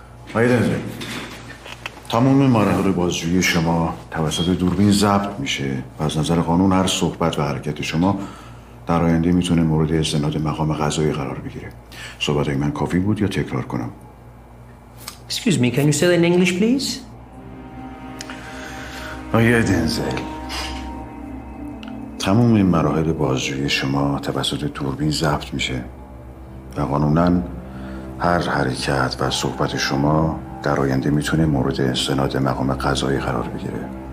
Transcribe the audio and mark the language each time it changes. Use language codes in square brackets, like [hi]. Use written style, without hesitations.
[fa] آقای دنزل، تمام مراحل بازجویی شما توسط دوربین ضبط میشه و از نظر قانون هر صحبت و حرکت شما در آینده میتونه مورد استناد مقام قضایی قرار بگیره. صحبت من کافی بود یا تکرار کنم؟ [en] Excuse me, can you say that in English, please? [fa] آقای دنزل، تمام این مراحل بازجویی شما توسط دوربین ضبط میشه و قانوناً هر حرکت و صحبت شما در آینده میتونه مورد استناد مقام قضایی قرار بگیره.